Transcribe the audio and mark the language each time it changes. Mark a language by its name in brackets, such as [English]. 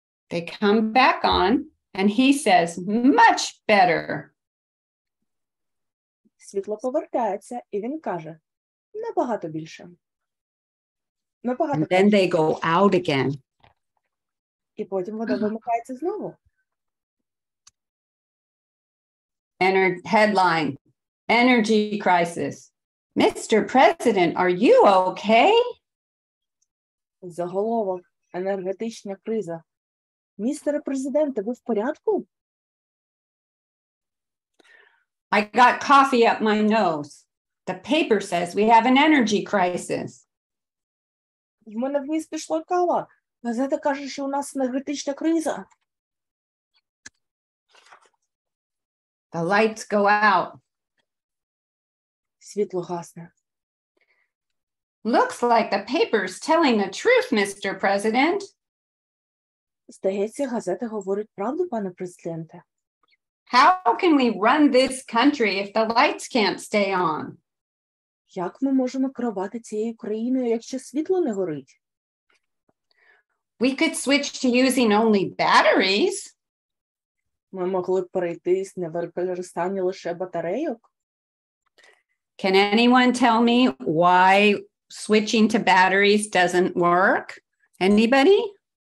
[English] They come back on and he says, much better. [Ukrainian] Світло повертається, і він каже, набагато більше. Набагато більше. [English] Then they go out again. [Ukrainian] І потім вода вимикається знову. [English] Headline, energy crisis. Mr. President, are you okay? [Ukrainian] Заголовок, енергетична криза. Містере Президенте, ви в порядку? [English] I got coffee up my nose. The paper says we have an energy crisis. [Ukrainian] В мене в ніс пішла кава. Газета каже, що у нас енергетична криза. [English] The lights go out. [Ukrainian] Світло гасне. [English] Looks like the paper's telling the truth, Mr. President. [Ukrainian] Здається, газета говорить правду, пане президенте. [English] How can we run this country if the lights can't stay on? [Ukrainian] Як ми можемо керувати цією країною, якщо світло не горить? [English] We could switch to using only batteries. [Ukrainian] Ми могли б перейти на використання лише батарейок. [English] Can anyone tell me why switching to batteries doesn't work? Anybody?